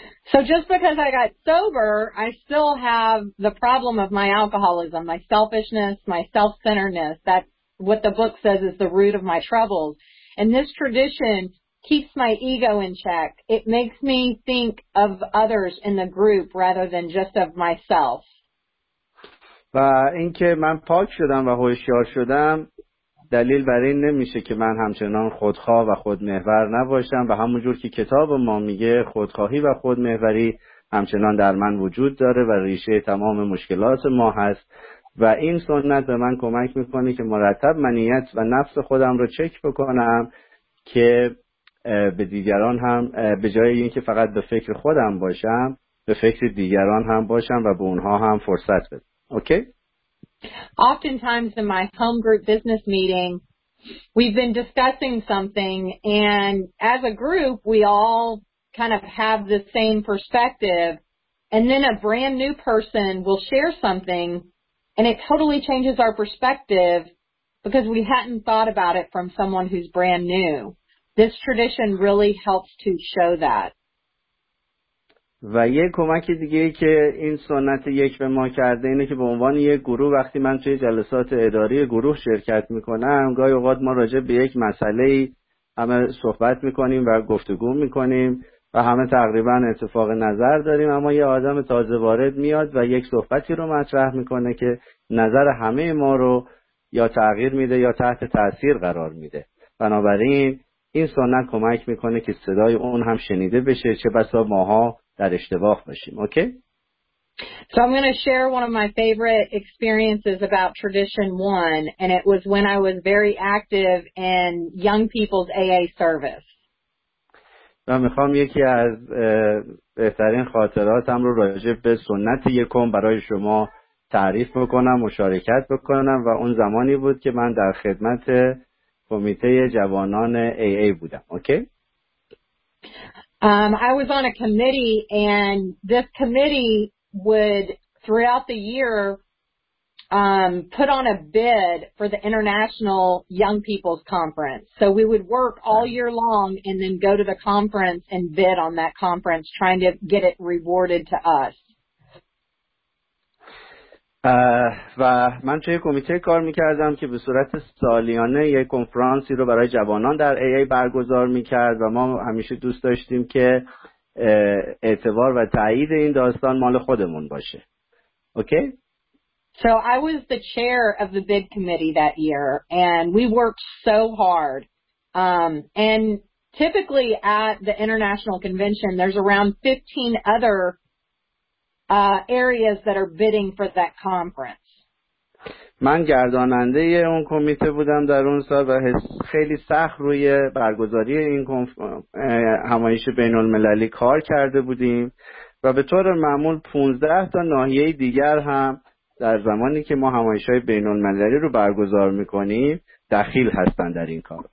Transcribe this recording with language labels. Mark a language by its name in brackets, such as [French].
[English] So just because I got sober, I still have the problem of my alcoholism, my selfishness, my self-centeredness. That's what the book says is the root of my troubles. And this tradition keeps my ego in check. It makes me think of others in the group rather than just of myself. [Persian] و اینکه من پاک شدم و هوشیار شدم دلیل بر این نمیشه که من همچنان خودخواه و خودمحور نباشم و همون جور که کتاب ما میگه خودخواهی و خودمحوری همچنان در من وجود داره و ریشه تمام مشکلات ما هست و این سنت به من کمک میکنه که مرتب منیت و نفس خودم رو چک بکنم که به دیگران هم به جای اینکه فقط به فکر خودم باشم به فکر دیگران هم باشم و به اونها هم فرصت بدم. Okay. [English] Oftentimes in my home group business meeting, we've been discussing something, and as a group, we all kind of have the same perspective, and then a brand new person will share something, and it totally changes our perspective because we hadn't thought about it from someone who's brand new. This tradition really helps to show that. [Persian] و یه کمک دیگه که این سنت یک به ما کرده اینه که به عنوان یک گروه وقتی من توی جلسات اداری گروه شرکت میکنم گاهی اوقات ما راجع به یک مسئله همه صحبت میکنیم و گفتگو میکنیم و همه تقریبا اتفاق نظر داریم، اما یه آدم تازه وارد میاد و یک صحبتی رو مطرح میکنه که نظر همه ما رو یا تغییر میده یا تحت تاثیر قرار میده. بنابراین این سنت کمک میکنه که صدای اون هم شنیده بشه چه بسا ماها در اشتباه باشیم. اوکی؟ [English] So I'm going to share one of my favorite experiences about tradition 1 and it was when I was very active in young people's AA service. [Persian] و من میخوام یکی از بهترین خاطراتم رو راجع به سنت یکم برای شما تعریف بکنم، مشارکت بکنم. و اون زمانی بود که من در خدمت کمیته جوانان AA بودم. اوکی؟ [English] I was on a committee and this committee would throughout the year put on a bid for the International Young People's Conference. So we would work all year long and then go to the conference and bid on that conference, trying to get it rewarded to us. [Persian] و من توی کمیته کار میکردم که به صورت سالیانه یک کنفرانسی رو برای جوانان در AA برگزار میکرد و ما همیشه دوست داشتیم که اعتبار و تایید این داستان مال خودمون باشه. اوکی؟ [English] So I was the chair of the bid committee that year and we worked so hard. And typically at the international convention there's around 15 other areas that are bidding for that conference. [Persian] من گرداننده اون کمیته بودم در اون سال و خیلی سخت روی برگزاری این همایش بین المللی کار کرده بودیم و به طور معمول 15 تا ناحیه دیگر هم در زمانی که ما همایش‌های بین‌المللی رو برگزار می‌کنیم دخیل هستن در این کار.